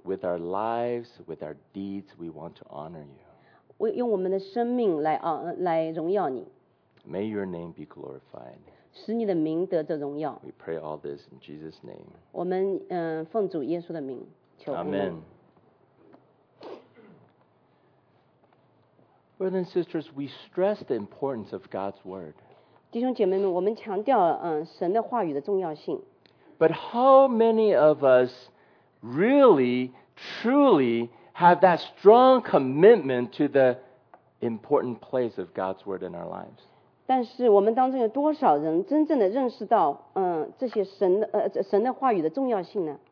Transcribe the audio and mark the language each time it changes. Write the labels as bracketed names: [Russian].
[English] With our lives, with our deeds, we want to honor you. [Chinese] 用我们的生命来荣耀你。 [English] May your name be glorified. [Chinese] 使你的名得着荣耀。 [English] We pray all this in Jesus' name. [Chinese] 我们奉主耶稣的名求。 [English] Amen. Brothers and sisters, we stress the importance of God's word. [Chinese] 弟兄姐妹们，我们强调神的话语的重要性。 [English] But how many of us really, truly have that strong commitment to the important place of God's word in our lives? [Chinese] 但是我们当中有多少人真正的认识到这些神的话语的重要性呢？